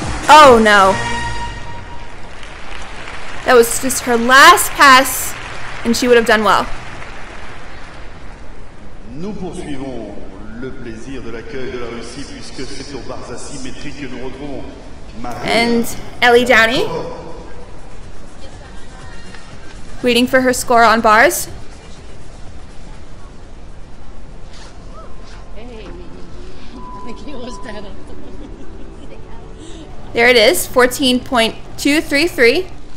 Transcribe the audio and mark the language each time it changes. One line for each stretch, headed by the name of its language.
English: Oh no. That was just her last pass, and she would have done well.
French: Nous poursuivons le plaisir de l'accueil de la Russie puisque c'est aux barres asymétriques que nous retrouvons.
English: And Ellie Downey, waiting for her score on bars. There it is, 14.233.